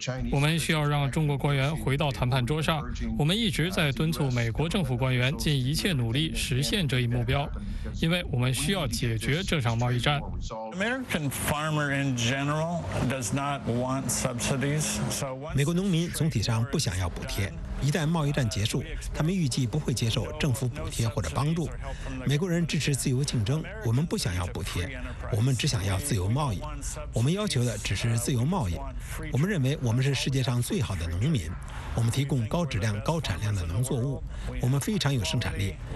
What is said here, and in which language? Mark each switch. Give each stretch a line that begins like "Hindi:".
Chinese: 我们需要让中国官员回到谈判桌上，我们一直在敦促美国政府官员尽一切努力实现这一目标，因为我们需要解决这场贸易战。
English: American farmer in general does not want subsidies.
Chinese: 美国农民总体上不想要补贴，一旦贸易战结束，他们预计不会接受政府补贴或者帮助。美国人支持自由竞争，我们不想要补贴，我们只想要自由贸易。我们要求的只是自由贸易。我们认为我们是世界上最好的农民，我们提供高质量、高产量的农作物，我们非常有生产力。